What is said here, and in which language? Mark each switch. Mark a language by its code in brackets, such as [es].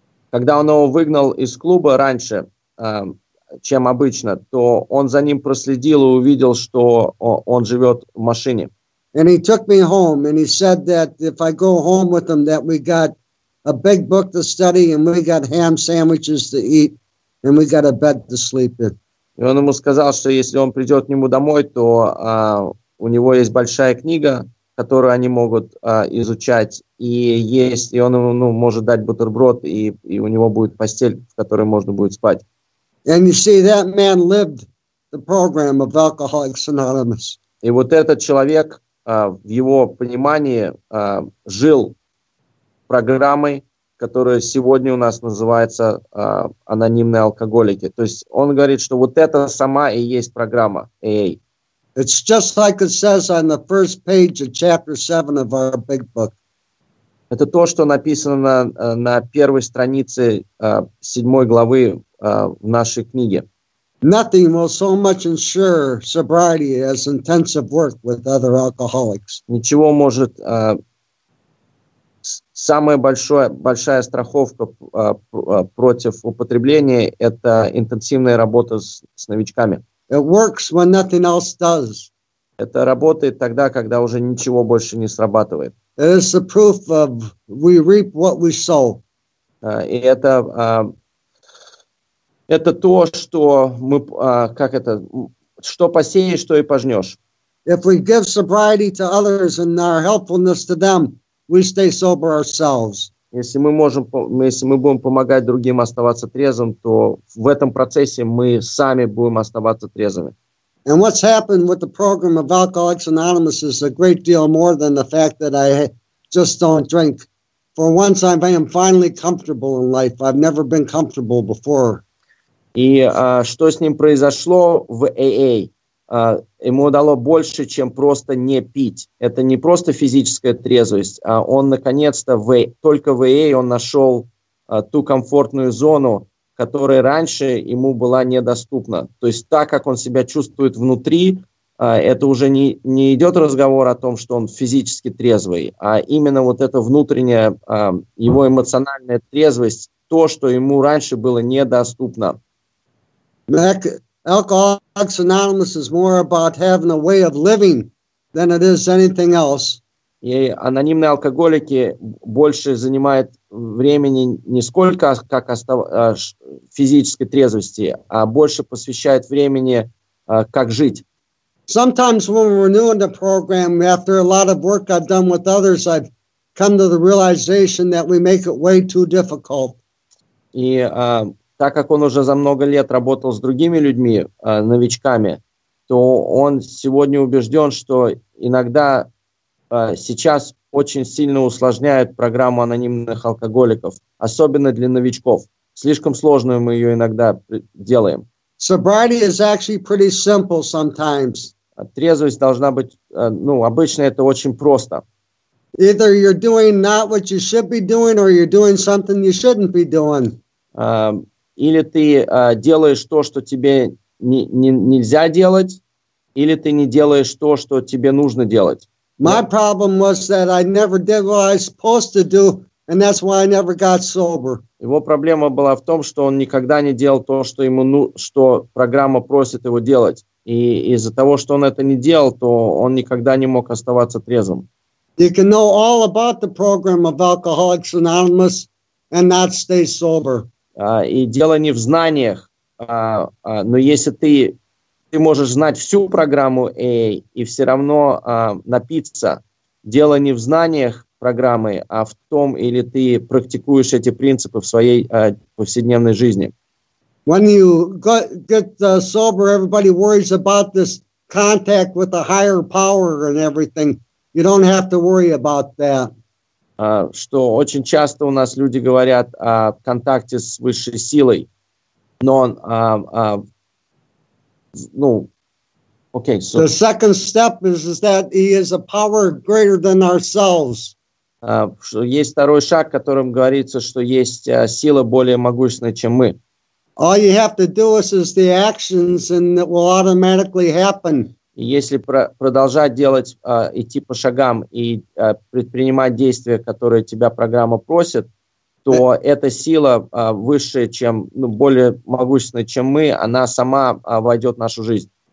[ru] Когда он его выгнал из клуба раньше, чем обычно, то он за ним проследил и увидел, что он живет в машине. [en] And he took me home, and he said that if I go home with him, that we got a big book to study, and we got ham sandwiches to eat, and we got a bed to sleep in. [ru] И он ему сказал, что если он придет к нему домой, то у него есть большая книга, которую они могут изучать, и есть, и он ему может дать бутерброд, и у него будет постель, в которой можно будет спать. [en] And you see, that man lived the program of Alcoholics Anonymous. [ru] И вот этот человек в его понимании жил программой, которая сегодня у нас называется «Анонимные алкоголики». То есть он говорит, что вот это сама и есть программа AA. [en] It's just like it says on the first page of chapter 7 of our big book. [ru] Это то, что написано на первой странице седьмой главы в нашей книге. [en] Nothing will so much ensure sobriety as intensive work with other alcoholics. [ru] Ничего может самая большая страховка против употребления – это интенсивная работа с новичками. [en] It works when nothing else does. [ru] Это работает тогда, когда уже ничего больше не срабатывает. [en] It is the proof of we reap what we sow. [ru] И это то, что мы, как это, что посеешь, то и пожнешь. [en] If we give sobriety to others and our helpfulness to them, we stay sober ourselves. [ru] Если мы будем помогать другим оставаться трезвым, то в этом процессе мы сами будем оставаться трезвыми. [en] And what's happened with the program of Alcoholics Anonymous is a great deal more than the fact that I just don't drink. For once, I am finally comfortable in life. I've never been comfortable before. [ru] И что с ним произошло в AA? Ему дало больше, чем просто не пить. Это не просто физическая трезвость, а он наконец-то только в AA он нашел ту комфортную зону, которая раньше ему была недоступна. То есть так, как он себя чувствует внутри, это уже не идет разговор о том, что он физически трезвый, а именно вот эта внутренняя, его эмоциональная трезвость, то, что ему раньше было недоступно. [en] Alcoholics Anonymous is more about having a way of living than it is anything else. [ru] И анонимные алкоголики больше занимают времени не сколько как физической трезвости, а больше посвящают времени как жить. [en] Sometimes when we're new in the program, after a lot of work I've done with others, I've come to the realization that we make it way too difficult. [ru] И так как он уже за много лет работал с другими людьми, новичками, то он сегодня убежден, что иногда сейчас очень сильно усложняет программу анонимных алкоголиков, особенно для новичков. Слишком сложную мы ее иногда делаем. [en] Sobriety is actually pretty simple sometimes. [ru] Трезвость должна быть, ну, обычно это очень просто. [en] Either you're doing not what you should be doing, or you're doing something you shouldn't be doing. [ru] Или ты делаешь то, что тебе нельзя делать, или ты не делаешь то, что тебе нужно делать. [en] My problem was that I never did what I was supposed to do, and that's why I never got sober. [ru] Его проблема была в том, что он никогда не делал то, что ему что программа просит его делать. И из-за того, что он это не делал, то он никогда не мог оставаться трезвым. [en] You can know all about the program of Alcoholics Anonymous and not stay sober. [ru] И дело не в знаниях, но если ты можешь знать всю программу AA и все равно напиться, дело не в знаниях программы, а в том, или ты практикуешь эти принципы в своей повседневной жизни. [en] When you get sober, everybody worries about this contact with a higher power and everything. You don't have to worry about that. [ru] Что очень часто у нас люди говорят о контакте с высшей силой, но ну, окей. [en] Okay, so. The second step is that he is a power greater than ourselves. [ru] Что есть второй шаг, которым говорится, что есть сила более могущественная, чем мы. [en] All you have to do is the actions, and it will automatically happen. [ru] Если продолжать делать, идти по шагам и предпринимать действия, которые тебя программа просит, то эта сила выше, чем, ну, более могущественная, чем мы, она сама войдет в нашу жизнь.